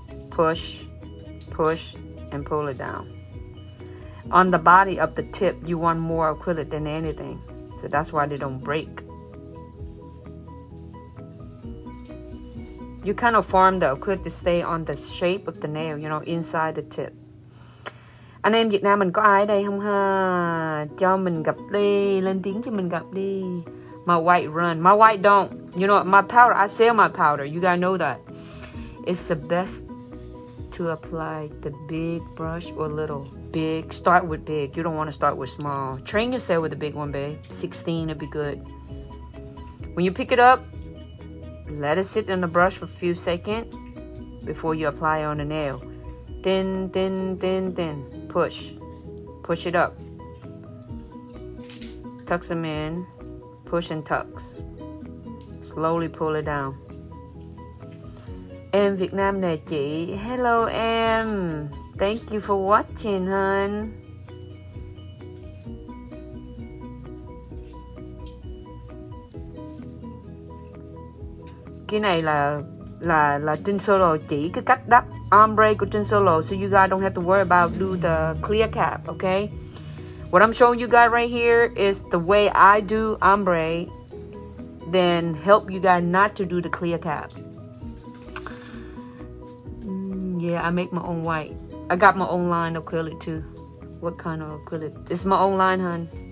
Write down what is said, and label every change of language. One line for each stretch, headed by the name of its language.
English: Push, push, and pull it down. On the body of the tip, you want more acrylic than anything. So that's why they don't break. You kind of form the acrylic to stay on the shape of the nail, you know, inside the tip.
Vietnamese: Anh em Việt Nam mình có ai ở đây không ha? Cho mình gặp đi, lên tiếng cho mình gặp đi.
English: My white run. My white don't. You know, my powder, I sell my powder. You gotta know that. It's the best to apply the big brush or little. Big, start with big. You don't want to start with small. Train yourself with a big one, babe. 16 would be good. When you pick it up, let it sit in the brush for a few seconds before you apply it on the nail. Thin, thin, thin, thin. Push. Push it up. Tucks them in. Push and tucks. Slowly pull it down.
Vietnamese: Em Việt Nam nè chị.
English: Hello, em. Thank you for watching, hun.
Vietnamese: Cái này là Trinh Solo chỉ cái cách đắp ombre của Trinh Solo,
English: so you guys don't have to worry about do the clear cap, okay? What I'm showing you guys right here is the way I do ombre, then help you guys not to do the clear cap. Yeah, I make my own white. I got my own line of acrylic too. What kind of acrylic? It's my own line, hun.